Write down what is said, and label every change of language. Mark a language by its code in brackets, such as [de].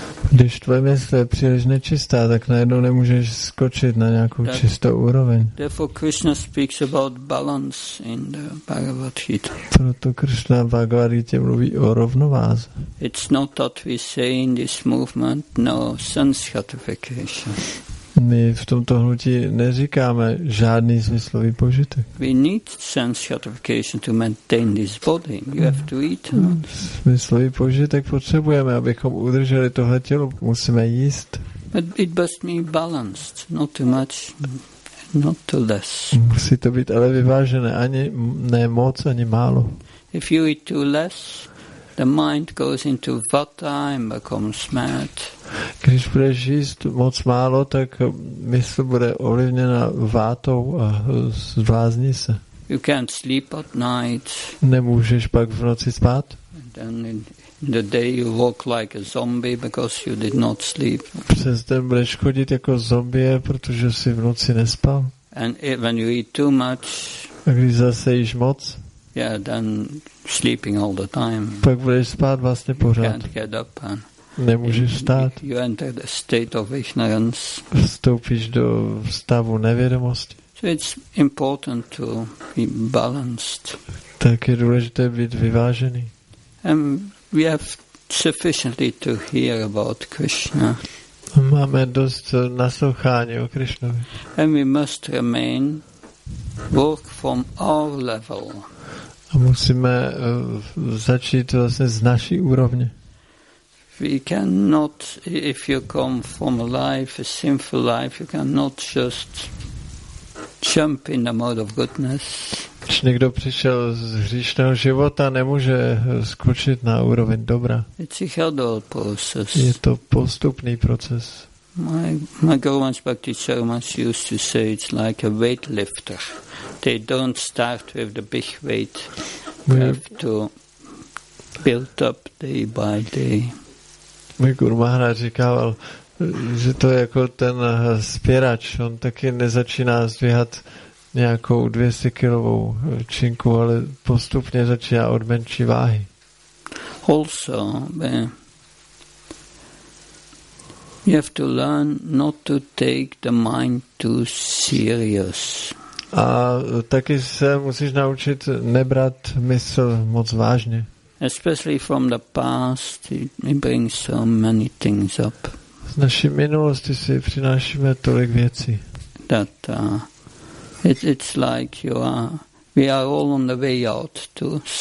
[cs] Když tvoje mysl je příliš nečistá, tak najednou nemůžeš skočit na nějakou čistou úroveň. [en] Therefore Krishna speaks about balance in the Bhagavad Gita. [cs] Proto Krishna v Bhagavad Gita mluví o rovnováze. [en] It's not that we say in this movement no sense gratification. [cs] My v tomto hnutí neříkáme žádný smyslový požitek. [en] We need sense gratification to maintain this body. You have to eat. [cs] Smyslový požitek potřebujeme, abychom udrželi tohle tělo. Musíme jíst. [en] But it must be balanced, not too much, not too less. [cs] Musí to být ale vyvážené, ani ne moc, ani málo. [en] If you eat too less, the mind goes into vata and becomes mad. [cs] Když budeš jíst moc málo, tak mysl bude ovlivněna vátou a zblázní se. [en] You can't sleep at night. [cs] Nemůžeš pak v noci spát. [en] And then in the day you walk like a zombie because you did not sleep. [cs] Přes den budeš chodit jako zombie, protože jsi v noci nespal. [en] And when you eat too much. [cs] A když zase jíš moc. [en] Yeah, then sleeping all the time. [cs] Pak budeš spát vlastně pořád. [en] You can't get up and [cs] nemůžeš stát. [en] You enter the state of ignorance. [cs] Vstoupíš do stavu nevědomosti. [en] So it's important to be balanced. [cs] Tak je důležité být vyvážený. [en] And we have sufficiently to hear about Krishna. [cs] Máme dost naslouchání o Krishnovi. [en] And we must remain work from our level. [cs] A musíme začít vlastně z naší úrovně. [en] We cannot, if you come from a life, a sinful life, you cannot just jump in the mode of goodness. [cs] Když někdo přišel z hříšného života, nemůže skočit na úroveň dobra. [en] It's a gradual process. [cs] Je to postupný proces. [en] My Gurumaj Bhakti Sharmas used to say it's like a weightlifter. They don't start with the big weight. They have to build up day by day. [cs] Můj guru Maharaj říkával, že to je jako ten spěrač. On taky nezačíná zdvíhat nějakou 200-kilovou činku, ale postupně začíná od menší váhy. [en] Also, you have to learn not to take the mind too serious. [cs] A taky se musíš naučit nebrat mysl moc vážně. [en] Especially from the past, it brings so many things up. [cs] Z naší minulosti si přinášíme tolik věcí. [en] That it's like you are, we are all on the way out too.